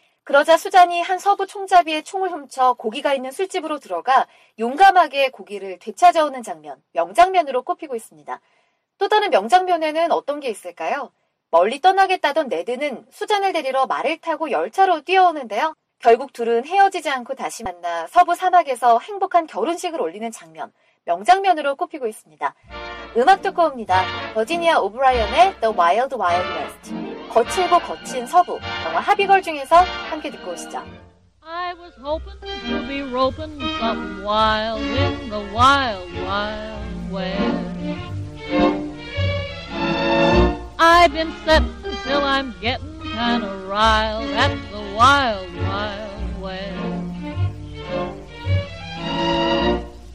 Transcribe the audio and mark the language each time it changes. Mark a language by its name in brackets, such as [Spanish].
[Korean] 그러자 수잔이 한 서부 총잡이의 총을 훔쳐 고기가 있는 술집으로 들어가 용감하게 고기를 되찾아오는 장면, 명장면으로 꼽히고 있습니다. 또 다른 명장면에는 어떤 게 있을까요? 멀리 떠나겠다던 네드는 수잔을 데리러 말을 타고 열차로 뛰어오는데요. 결국 둘은 헤어지지 않고 다시 만나 서부 사막에서 행복한 결혼식을 올리는 장면, 명장면으로 꼽히고 있습니다. 음악 듣고 옵니다. 버지니아 오브라이언의 The Wild Wild West. 거칠고 거친 서부, 영화 하비걸 중에서 함께 듣고 오시죠. [English] I was hoping to be roping some wild in the wild wild west. I've been setting till I'm getting kind of riled at the wild wild west.